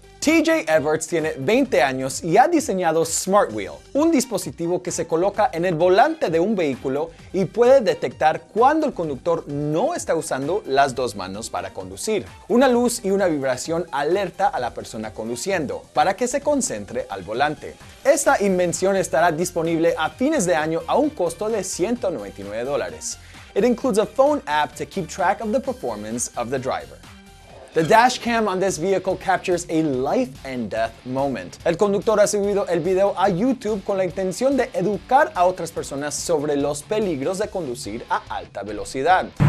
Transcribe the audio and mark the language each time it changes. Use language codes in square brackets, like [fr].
[es] TJ Edwards tiene 20 años y ha diseñado SmartWheel, un dispositivo que se coloca en el volante de un vehículo y puede detectar cuando el conductor no está usando las dos manos para conducir. Una luz y una vibración alerta a la persona conduciendo para que se concentre al volante. Esta invención estará disponible a fines de año a un costo de $199. [en] It includes a phone app to keep track of the performance of the driver. The dash cam on this vehicle captures a life and death moment. [es] El conductor ha subido el video a YouTube con la intención de educar a otras personas sobre los peligros de conducir a alta velocidad.